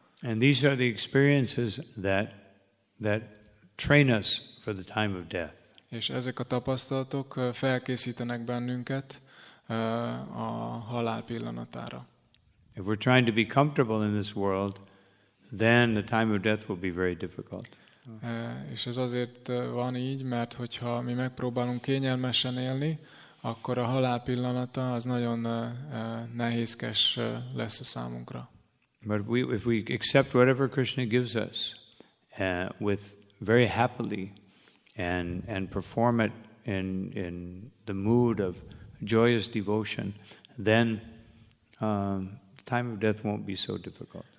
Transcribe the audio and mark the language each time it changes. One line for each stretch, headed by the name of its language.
English: And these are the experiences that train us for the time of death.
Hungarian: És ezek a tapasztalatok felkészítenek bennünket a halál pillanatára.
English: If we're trying to be comfortable in this world, then the time of death will be very difficult.
Hungarian: És ez azért van így, mert hogyha mi megpróbálunk kényelmesen élni, akkor a halál pillanata az nagyon nehézkes lesz a számunkra.
English: But if we accept whatever Krishna gives us with very happily and perform it in the mood of joyous devotion, then the time of death won't be so difficult.